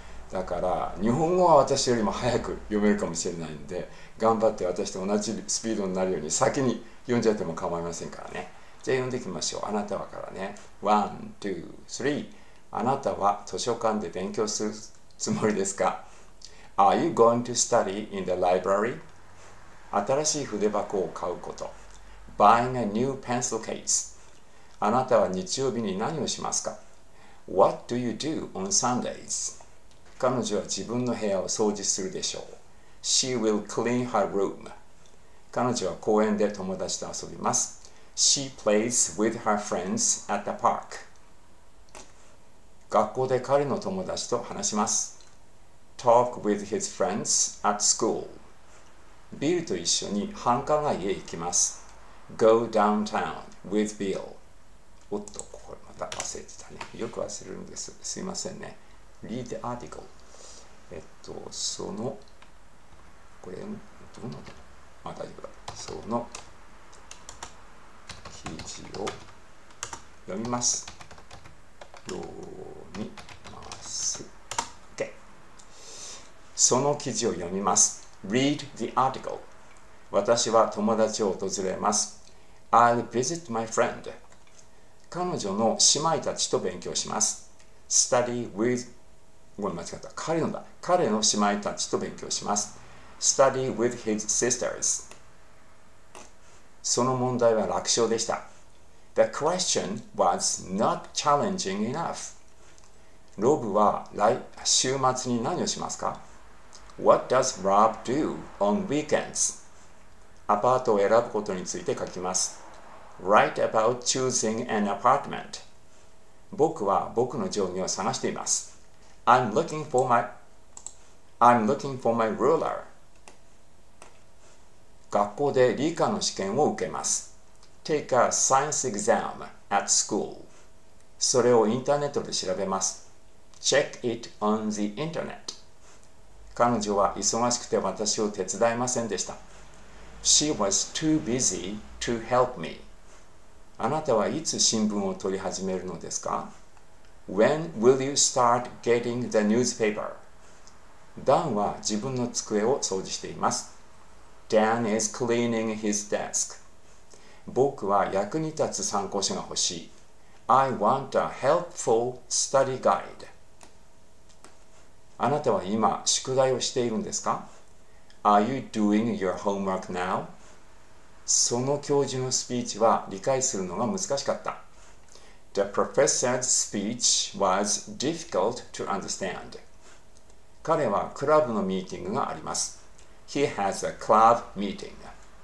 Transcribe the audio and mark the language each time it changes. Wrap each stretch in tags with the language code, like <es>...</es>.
<ja>だから日本語は私よりも早く読めるかもしれないんで、頑張って私と同じスピードになるように先に読んじゃっても構いませんからね。じゃあ読んでいきましょう。あなたはからね。1,2,3 あなたは図書館で勉強するつもりですか？</ja> <en>Are you going to study in the library?</en> <ja>新しい筆箱を買うこと。</ja> <en>Buying a new pencil case。</en> <ja>あなたは日曜日に何をしますか？</ja> <en>What do you do on Sundays?</en> <ja>彼女は自分の部屋を掃除するでしょう。</ja> <en>She will clean her room。</en> <ja>彼女は公園で友達と遊びます。</ja> <en>She plays with her friends at the park.</en> <ja>学校で彼の友達と話します。</ja> <en>Talk with his friends at school.</en> <ja>Bill と一緒に繁華街へ行きます。</ja> <en>Go downtown with Bill.</en> <ja>おっと、これまた忘れてたね。よく忘れるんです。すいませんね。</ja> <en>Read the article.</en> <ja>その、これ、どうなの？あ、大丈夫だ。その、記事を読みます。読みます。OK。その記事を読みます。</ja> <en>Read the article.</en> <ja>私は友達を訪れます。</ja> <en>I'll visit my friend.</en> <ja>彼女の姉妹たちと勉強します。</ja> <en>Study with...</en> <ja>ごめん、間違った。彼のだ。彼の姉妹たちと勉強します。</ja> <en>Study with his sisters.</en> <ja>その問題は楽勝でした。</ja> <en>The question was not challenging enough.</en> <ja>ロブは週末に何をしますか？</ja> <en>What does Rob do on weekends?</en> <ja>アパートを選ぶことについて書きます。</ja> <en>Write about choosing an apartment.</en> <ja>僕は僕の定規を探しています。</ja> <en>I'm looking for my ruler.</en> <ja>学校で理科の試験を受けます。</ja> <en>Take a science exam at school.</en> <ja>それをインターネットで調べます。</ja> <en>Check it on the internet.</en> <ja>彼女は忙しくて私を手伝いませんでした。</ja> <en>She was too busy to help me.</en> <ja>あなたはいつ新聞を取り始めるのですか？</ja> <en>When will you start getting the newspaper?</en> <ja>Dan は自分の机を掃除しています。</ja> <en>Dan is cleaning his desk.</en> <ja>僕は役に立つ参考書が欲しい。</ja> <en>I want a helpful study guide.</en> <ja>あなたは今宿題をしているんですか？</ja> <en>Are you doing your homework now?</en> <ja>その教授のスピーチは理解するのが難しかった。</ja> <en>The professor's speech was difficult to understand.</en> <ja>彼はクラブのミーティングがあります。</ja> <en>He has a club meeting.</en>